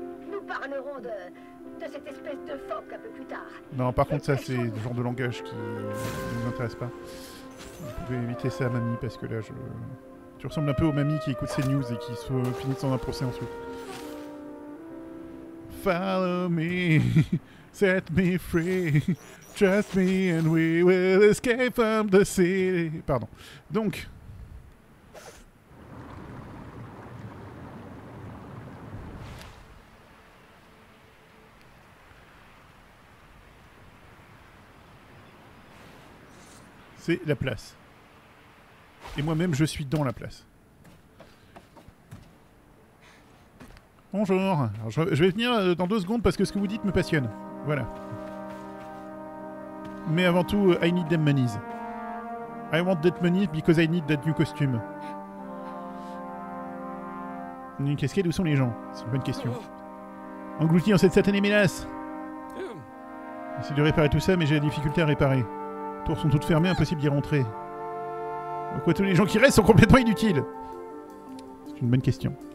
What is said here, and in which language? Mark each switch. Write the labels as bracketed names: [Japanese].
[French] Nous parlerons de cette espèce de phoque un peu plus tard. Non, par contre, ça, c'est le genre de langage qui ne nous intéresse pas. Vous pouvez éviter ça, mamie, parce que là, je... Tu ressembles un peu aux mamies qui écoutent ces news et qui finit sans un procès ensuite. [English] Follow me... Set me free, trust me and we will escape from the city. [French] Pardon. Donc. C'est la place. Et moi-même, je suis dans la place. Bonjour. Alors, je vais venir dans deux secondes parce que ce que vous dites me passionne. Voilà. Mais avant tout, [English] I need them monies. I want that money because I need that new costume. [French] Une cascade, où sont les gens? C'est une bonne question. Englouti en cette satanée menace. J'essaie de réparer tout ça, mais j'ai la difficulté à réparer. Les tours sont toutes fermées, impossible d'y rentrer. Pourquoi tous les gens qui restent sont complètement inutiles? C'est une bonne question.